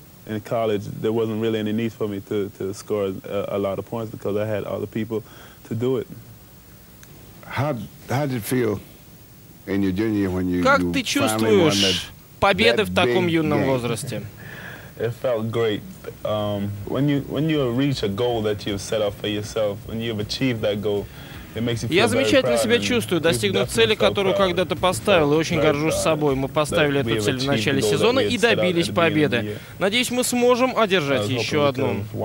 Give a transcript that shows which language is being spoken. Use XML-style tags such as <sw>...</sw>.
<en>In college, there wasn't really any need for me to score a lot of points because I had other people to do it. How did it feel in your junior year when you finally won that?</en> <ru>Как ты чувствуешь победы в таком юном возрасте?</ru> <en>It felt great. When you reach a goal that you've set up for yourself, when you've achieved that goal,</en> <ru>я замечательно себя чувствую, достигнув цели, которую когда-то поставил, и очень горжусь собой. Мы поставили эту цель в начале сезона и добились победы. Надеюсь, мы сможем одержать еще одну.</ru>